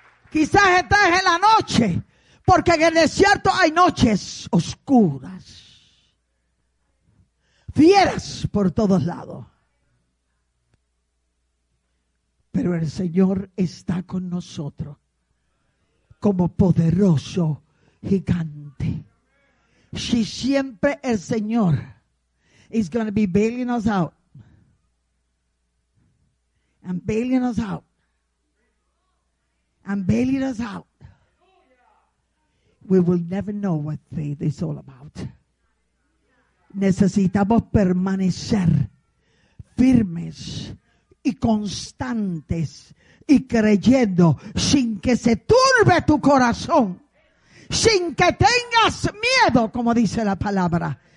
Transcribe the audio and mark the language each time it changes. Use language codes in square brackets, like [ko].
[es] Quizás estés en la noche, porque en el desierto hay noches oscuras, fieras por todos lados. pero el Señor está con nosotros como poderoso gigante. Si siempre el Señor [en] is going to be bailing us out and bailing us out and bailing us out, we will never know what faith is all about. [es] Necesitamos permanecer firmes y constantes y creyendo sin que se turbe tu corazón, sin que tengas miedo, como dice la palabra.